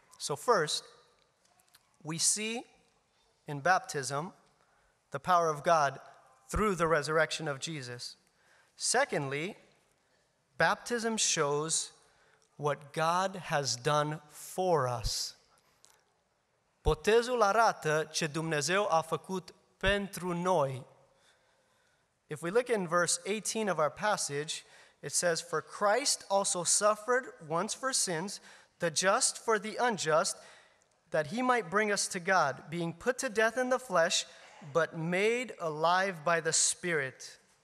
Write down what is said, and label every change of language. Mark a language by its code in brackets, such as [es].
[en] So first, we see in baptism the power of God through the resurrection of Jesus. Secondly, baptism shows what God has done for us. [ro] Botezul arată ce Dumnezeu a făcut pentru noi. [en] If we look in verse 18 of our passage, it says, for Christ also suffered once for sins, the just for the unjust, that he might bring us to God, being put to death in the flesh, but made alive by the Spirit.